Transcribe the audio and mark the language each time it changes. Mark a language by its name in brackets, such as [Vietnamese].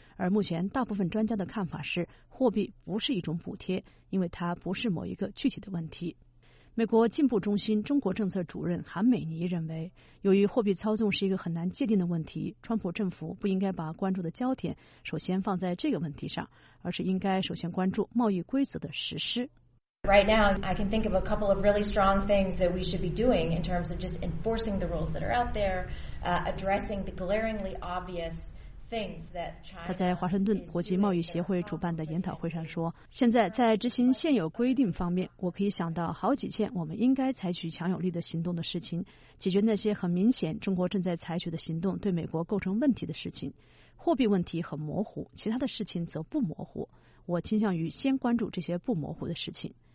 [Chinese] 而目前大部分专家的看法是，货币不是一种补贴，因为它不是某一个具体的问题。美国进步中心中国政策主任韩美尼认为，由于货币操纵是一个很难界定的问题，川普政府不应该把关注的焦点首先放在这个问题上，而是应该首先关注贸易规则的实施。 [English] Right now, I can think of a couple of really strong things that we should be doing in terms of just enforcing the rules that are out there, addressing the glaringly obvious things that China. [Chinese] 他在华盛顿国际贸易协会主办的研讨会上说，现在在执行现有规定方面，我可以想到好几件我们应该采取强有力的行动的事情，解决那些很明显中国正在采取的行动对美国构成问题的事情。货币问题很模糊，其他的事情则不模糊。我倾向于先关注这些不模糊的事情。